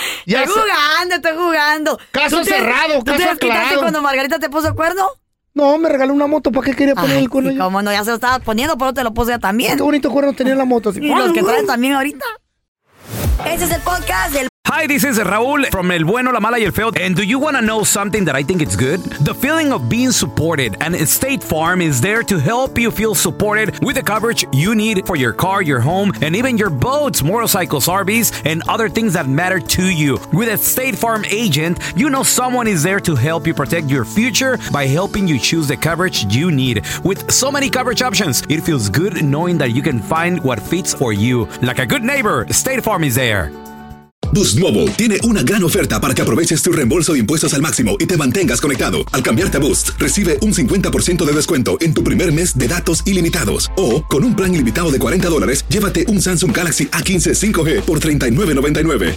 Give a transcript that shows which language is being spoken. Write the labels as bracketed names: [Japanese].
[Spanish] Ya estoy jugando. Caso cerrado. ¿Tú te desquitaste cuando Margarita te puso el cuerno? No, me regaló una moto, ¿para qué quería poner el cuerno? Como no, ya se lo estaba poniendo, pero te lo puse ya también. Qué bonito cuerno tenía la moto. Así, y los que traen también ahorita. Ese es el podcast del... [English] Hi, this is Raul from El Bueno, La Mala y El Feo. And do you want to know something that I think it's good? The feeling of being supported, and State Farm is there to help you feel supported with the coverage you need for your car, your home, and even your boats, motorcycles, RVs, and other things that matter to you. With a State Farm agent, you know someone is there to help you protect your future by helping you choose the coverage you need. With so many coverage options, it feels good knowing that you can find what fits for you. Like a good neighbor, State Farm is there. [Spanish] Boost Mobile tiene una gran oferta para que aproveches tu reembolso de impuestos al máximo y te mantengas conectado. Al cambiarte a Boost, recibe un 50% de descuento en tu primer mes de datos ilimitados. O, con un plan ilimitado de $40, llévate un Samsung Galaxy A15 5G por $39.99.